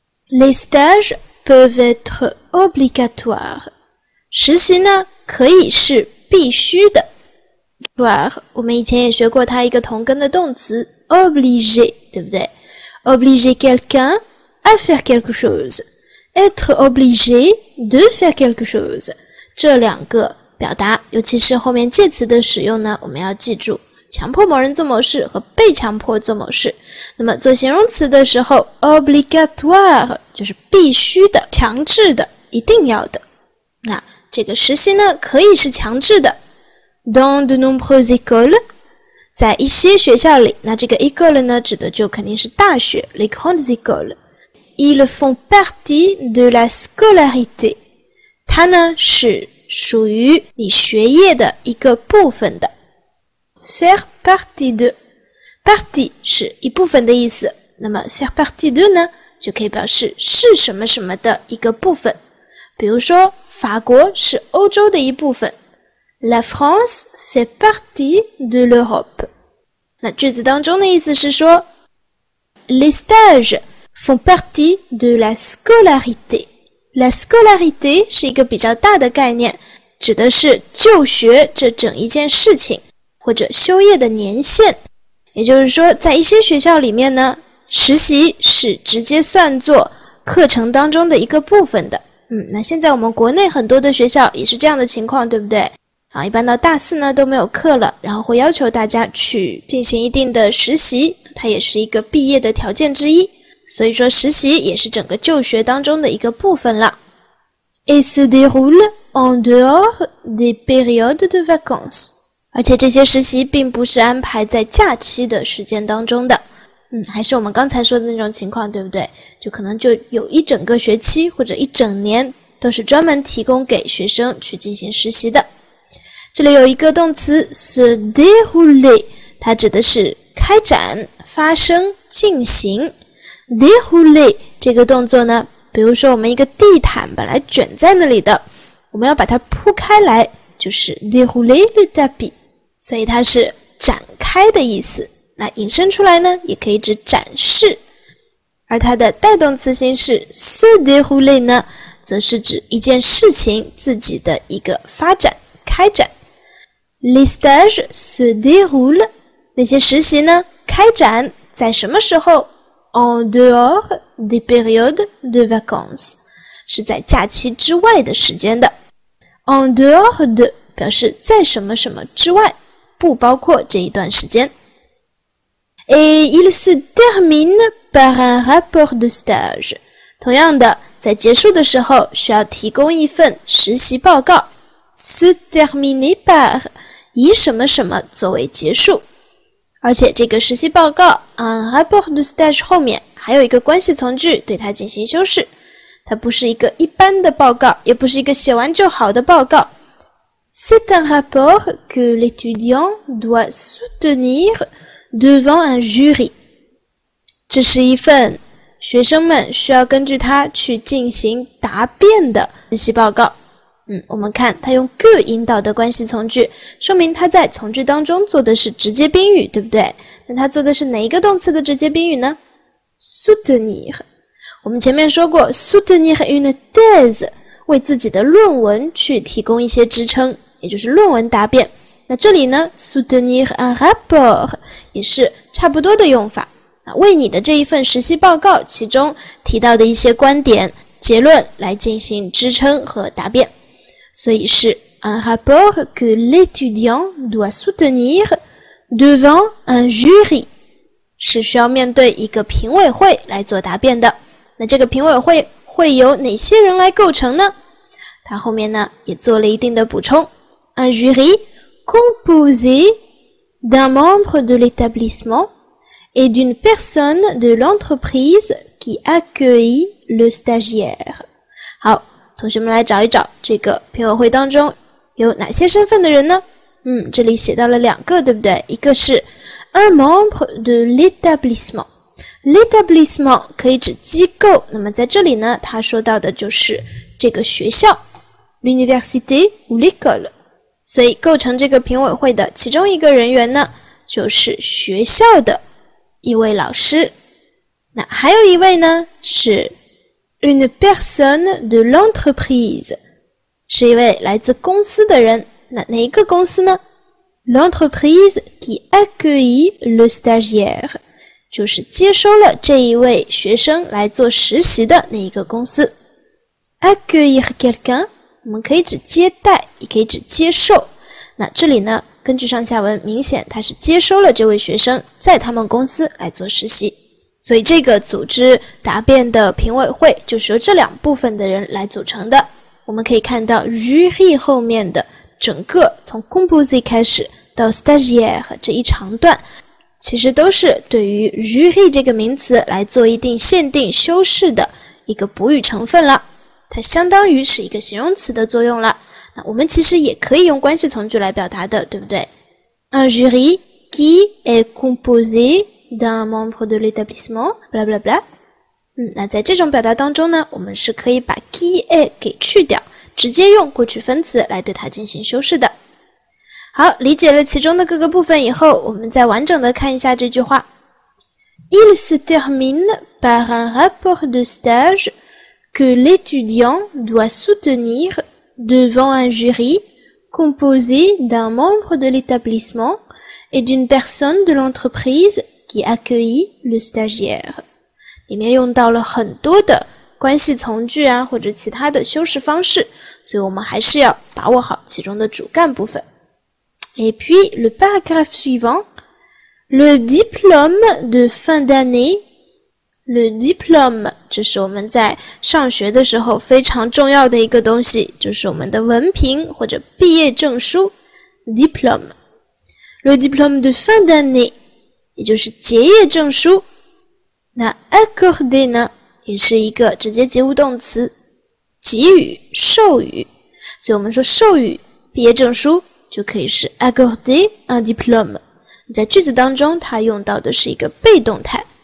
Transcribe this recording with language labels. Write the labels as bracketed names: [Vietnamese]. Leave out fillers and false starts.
[French] Les stages peuvent être obligatoires. [Chinese] 实习呢可以是必须的。 Obligatoire, 我们以前也学过它一个同根的动词 obliger, 对不对 ？ [French] Obliger quelqu'un à faire quelque chose. Être obligé de faire quelque chose. [Chinese] 这两个表达，尤其是后面介词的使用呢，我们要记住。强迫某人做某事和被强迫做某事，那么做形容词的时候 ，obligatoire 就是必须的、强制的、一定要的。那这个实习呢，可以是强制的。 [French] Dans de nombreuses écoles， [Chinese] 在一些学校里，那这个 école 呢，指的就肯定是大学 ， [French] les grandes écoles。 Ils font partie de la scolarité， [Chinese] 它呢是属于你学业的一个部分的。 [French] Faire partie de. [Chinese] Partie 是一部分的意思。那么 faire partie de 呢就可以表示是什么什么的一个部分。比如说法国是欧洲的一部分。 [French] La France fait partie de l'Europe. [Chinese] 那句子当中的意思是说 [French] Les stages font partie de la scolarité. [Chinese] La scolarité 是一个比较大的概念，指的是就学这整一件事情。或者休业的年限，也就是说在一些学校里面呢，实习是直接算作课程当中的一个部分的。那现在我们国内很多的学校也是这样的情况，对不对？一般到大四呢都没有课了，然后会要求大家去进行一定的实习，它也是一个毕业的条件之一，所以说实习也是整个就学当中的一个部分了。 [French] Et se déroule en dehors des périodes de vacances。 [Chinese] 而且这些实习并不是安排在假期的时间当中的，还是我们刚才说的那种情况，对不对？就可能就有一整个学期或者一整年都是专门提供给学生去进行实习的。这里有一个动词 se dérouler， 它指的是开展、发生、进行。 dérouler 这个动作呢，比如说我们一个地毯本来卷在那里的，我们要把它铺开来。就是 [French] dérouler le tapis， [Chinese] 所以它是展开的意思。那引申出来呢，也可以指展示。而它的带动词形式 se dérouler 呢，则是指一件事情自己的一个发展、开展。 [French] Les stages se déroulent， [Chinese] 那些实习呢，开展在什么时候 [French] ？En dehors des périodes de vacances， [Chinese] 是在假期之外的时间的。 [French] En dehors de [Chinese] 表示在什么什么之外，不包括这一段时间。 [French] Et il se termine par un rapport de stage。 [Chinese] 同样的，在结束的时候需要提供一份实习报告。 [French] Se terminer par [Chinese] 以什么什么作为结束，而且这个实习报告 un rapport de stage 后面还有一个关系从句对它进行修饰。它不是一个一般的报告，也不是一个写完就好的报告。 [French] C'est un rapport que l'étudiant doit soutenir devant un jury. [Chinese] 这是一份学生们需要根据它去进行答辩的实习报告。嗯，我们看它用 go 引导的关系从句，说明它在从句当中做的是直接宾语，对不对？那它做的是哪一个动词的直接宾语呢？ [French] Soutenir。 [Chinese] 我们前面说过 ， [French] soutenir une thèse， [Chinese] 为自己的论文去提供一些支撑，也就是论文答辩。那这里呢 ， [French] soutenir un rapport [Chinese] 也是差不多的用法，为你的这一份实习报告其中提到的一些观点、结论来进行支撑和答辩。所以是 [French] un rapport que l'étudiant doit soutenir devant un jury， [Chinese] 是需要面对一个评委会来做答辩的。那这个评委会会由哪些人来构成呢？他后面呢也做了一定的补充。 [French] Un jury composé d'un membre de l'établissement et d'une personne de l'entreprise qui accueille le stagiaire. [Chinese] 好，同学们来找一找这个评委会当中有哪些身份的人呢？嗯，这里写到了两个，对不对？一个是 [French] un membre de l'établissement。 [Chinese] L'établissement 可以指机构，那么在这里呢，他说到的就是这个学校 [French] ，l'université ou l'école。 [Chinese] 所以构成这个评委会的其中一个人员呢，就是学校的一位老师。那还有一位呢，是 [French] une personne de l'entreprise， [Chinese] 是一位来自公司的人。那哪一个公司呢 [French] ？L'entreprise qui accueille le stagiaire。 [Chinese] 就是接收了这一位学生来做实习的那一个公司。 [French] Accueillir quelqu'un， [Chinese] 我们可以指接待，也可以指接受。那这里呢，根据上下文，明显他是接收了这位学生在他们公司来做实习。所以这个组织答辩的评委会就是由这两部分的人来组成的。我们可以看到 jury 后面的整个从 composé 开始到 stagiaire 这一长段，其实都是对于 jury 这个名词来做一定限定修饰的一个补语成分了，它相当于是一个形容词的作用了。那我们其实也可以用关系从句来表达的，对不对？ [French] Un jury qui est composé d'un membre de l'établissement blah blah blah。 [Chinese] 嗯，那在这种表达当中呢，我们是可以把 qui est 给去掉，直接用过去分词来对它进行修饰的。好，理解了其中的各个部分以后，我们再完整的看一下这句话。 [French] Il se termine par un rapport de stage que l'étudiant doit soutenir devant un jury composé d'un membre de l'établissement et d'une personne de l'entreprise qui accueillit le stagiaire. [Chinese] 里面用到了很多的关系从句啊，或者其他的修饰方式，所以我们还是要把握好其中的主干部分。 [French] Et puis, le paragraphe suivant, le diplôme de fin d'année, [Chinese] le diplôme, 这是我们在上学的时候非常重要的一个东西，就是我们的文凭或者毕业证书 [French] ,diplôme. Le diplôme de fin d'année, [Chinese] 也就是结业证书。那 accordé 呢，也是一个直接及物动词，给予、授予。所以我们说授予毕业证书就可以是 [French] accorder un diplôme。 [Chinese] 在句子当中它用到的是一个被动态，